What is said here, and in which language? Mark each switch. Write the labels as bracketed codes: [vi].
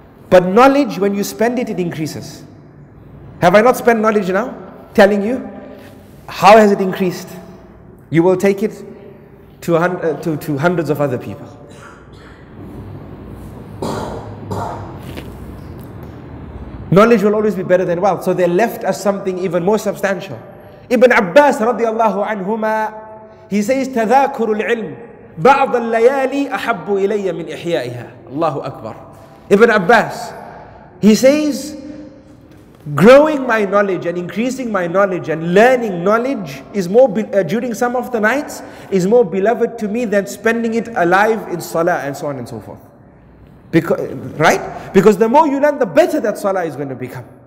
[en] But knowledge, when you spend it, it increases. Have I not spent knowledge now? Telling you? How has it increased? You will take it to hundreds of other people. Knowledge will always be better than wealth. So they left us something even more substantial. Ibn Abbas radiallahu anhuma, he says, [ar] تَذَاكُرُ الْعِلْمِ بعض الليالي أحب إلي من إحيائها. الله أكبر. [en] Ibn Abbas, he says, growing my knowledge and increasing my knowledge and learning knowledge is more during some of the nights is more beloved to me than spending it alive in salah and so on and so forth. Because the more you learn, the better that salah is going to become.